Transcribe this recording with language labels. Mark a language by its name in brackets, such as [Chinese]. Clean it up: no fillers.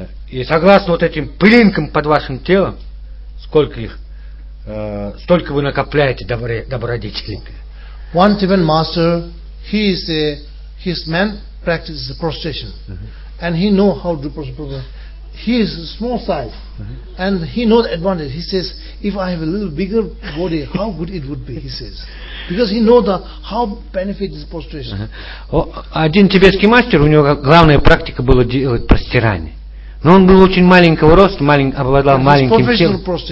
[Russian] И согласно вот этим пылинкам под вашим телом, сколько их, столько вы накопляете добродетелей. [English] One Tibetan master, he is a, his man practices prostration, and he know how to prostrate. He is small size, and he knows the advantage. He says, if I have a little bigger body, how good it would be, he says. Because he knows how benefit is prostration. [Russian] Один тибетский мастер, у него главная практика была делать простирание. Но он был очень маленького роста, обладал маленьким телом.